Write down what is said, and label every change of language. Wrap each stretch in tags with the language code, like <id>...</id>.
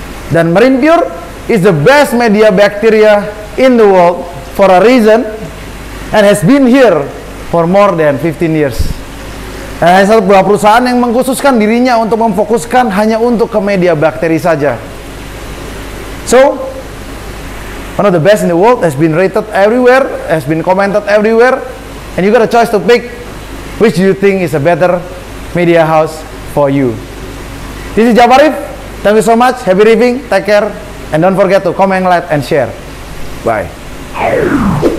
<en>Dan Marine Pure is the best media bacteria in the world for a reason and has been here for more than 15 years.</en> <id>Ada sebuah perusahaan yang mengkhususkan dirinya untuk memfokuskan hanya untuk ke media bakteri saja.</id> <en>So, one of the best in the world has been rated everywhere, has been commented everywhere, and you got a choice to pick which you think is a better media house for you. This is Jabarif. Thank you so much. Happy reading. Take care. And don't forget to comment, like, and share. Bye.</en>